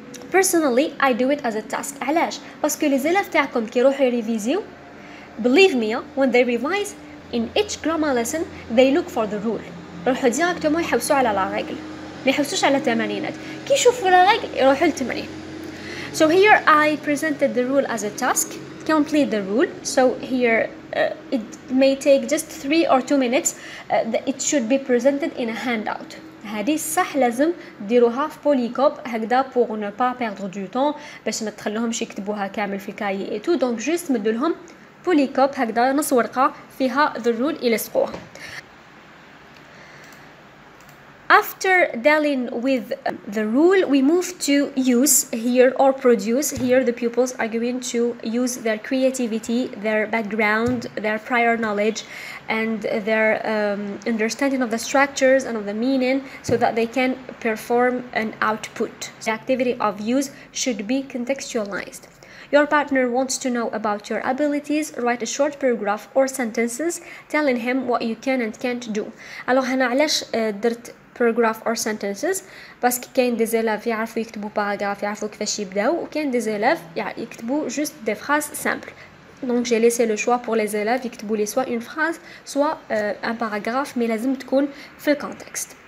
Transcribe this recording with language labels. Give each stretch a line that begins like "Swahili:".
English: Personally, I do it as a task.
Arabic: علاش؟ باسكو لي زيلاف تاعكم كي يروحوا يريفيزيو
English: Believe me, when they revise in each grammar lesson, they look for the rule.
Arabic: روحوا ديراكتومون يحوسوا على لا ريغل. ما يحوسوش على التمارينات. كي يشوفوا لا ريغل يروحوا للتمارين.
English: So here I presented the rule as a task. Complete the rule. So here it may take just 3 or 2 minutes. It should be presented in a handout.
Arabic: هذه صح لازم ديروها في بوليكوب هكذا
French: pour ne pas perdre du temps
Arabic: باش ما تخليهمش يكتبوها كامل في الكاي اي تو.
French: Donc juste
Arabic: مدوا لهم بوليكوب هكذا نص ورقة فيها
English: the rule
Arabic: يلصقوها.
English: After dealing with the rule, we move to use here or produce. Here the pupils are going to use their creativity, their background, their prior knowledge, and their understanding of the structures and of the meaning so that they can perform an output. The activity of use should be contextualized. Your partner wants to know about your abilities. Write a short paragraph or sentences telling him what you can and can't do.
French: Alors
Arabic: هنا علاش درت
English: paragraph or sentences؟
Arabic: باسكو كاين دي زيلاف يعرفوا يكتبوا paragraph يعرفوا كيفاش يبداو وكاين دي زيلاف يكتبوا جوست دي فراز سامبل
French: Donc j'ai laissé le choix pour les élèves
Arabic: يكتبوا لي
French: soit une phrase soit un paragraphe mais
Arabic: لازم تكون في الكونتكست.